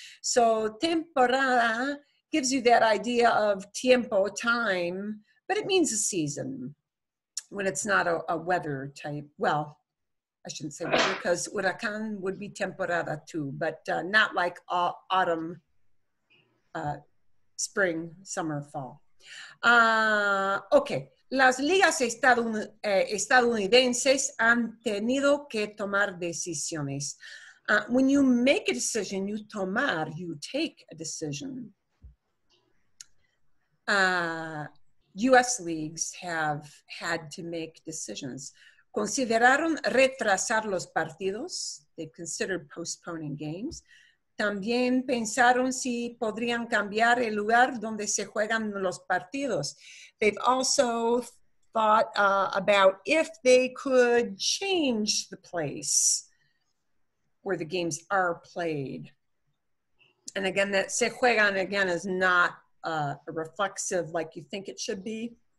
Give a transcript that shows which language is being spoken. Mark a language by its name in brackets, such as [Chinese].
[English] So temporada gives you that idea of tiempo, time, but it means a season. when it's not a weather type. Well, I shouldn't say weather, because huracán would be temporada too, but not like autumn, spring, summer, fall. Okay. [Spanish] Las ligas estadounidenses han tenido que tomar decisiones. [English] When you make a decision, you tomar, you take a decision. U.S. leagues have had to make decisions. [Spanish] Consideraron retrasar los partidos. [English] They considered postponing games. [Spanish] También pensaron si podrían cambiar el lugar donde se juegan los partidos. [English] They've also thought about if they could change the place where the games are played. And again, that se juegan again is not a reflexive like you think it should be.